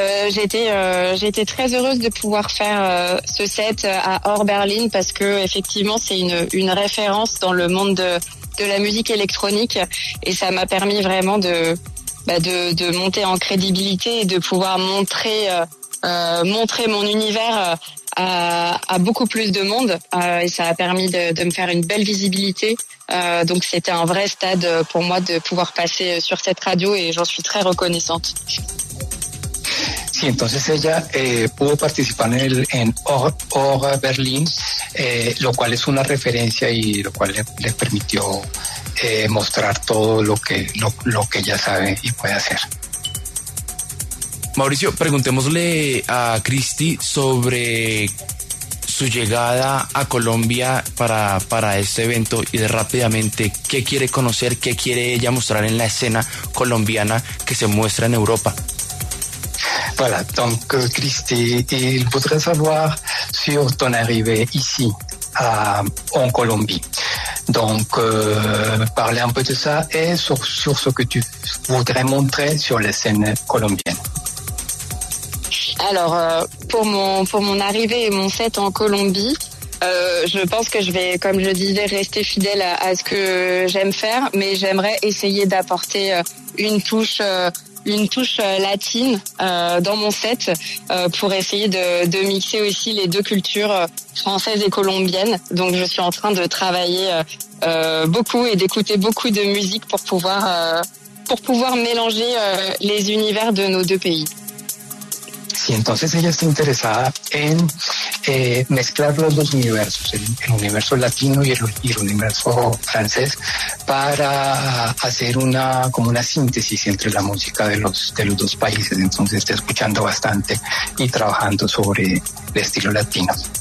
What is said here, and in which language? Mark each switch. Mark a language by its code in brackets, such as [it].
[fr] J'étais très heureuse de pouvoir faire ce set à Rock Berlin parce que effectivement c'est une référence dans le monde de la musique électronique et ça m'a permis vraiment de monter en crédibilité et de pouvoir montrer mon univers à beaucoup plus de monde et ça a permis de me faire une belle visibilité donc c'était un vrai stade pour moi de pouvoir passer sur cette radio et j'en suis très reconnaissante. [es] Sí, entonces ella pudo participar en Orga Berlín, lo cual es una referencia y lo cual le permitió mostrar todo lo que ella sabe y puede hacer. Mauricio, preguntémosle a Christy sobre su llegada a Colombia para este evento y de rápidamente, ¿qué quiere conocer, qué quiere ella mostrar en la escena colombiana que se muestra en Europa? [fr] Voilà, donc Christy, il voudrait savoir sur ton arrivée ici, en Colombie. Donc, parler un peu de ça et sur ce que tu voudrais montrer sur la scène colombienne. Alors, pour mon arrivée et mon set en Colombie, je pense que je vais, comme je disais, rester fidèle à ce que j'aime faire, mais j'aimerais essayer d'apporter une touche latine dans mon set pour essayer de mixer aussi les deux cultures françaises et colombiennes. Donc je suis en train de travailler beaucoup et d'écouter beaucoup de musique pour pouvoir mélanger les univers de nos deux pays. [es] Y entonces ella está interesada en mezclar los dos universos, el universo latino y el universo francés, para hacer una como una síntesis entre la música de los dos países. Entonces está escuchando bastante y trabajando sobre el estilo latino.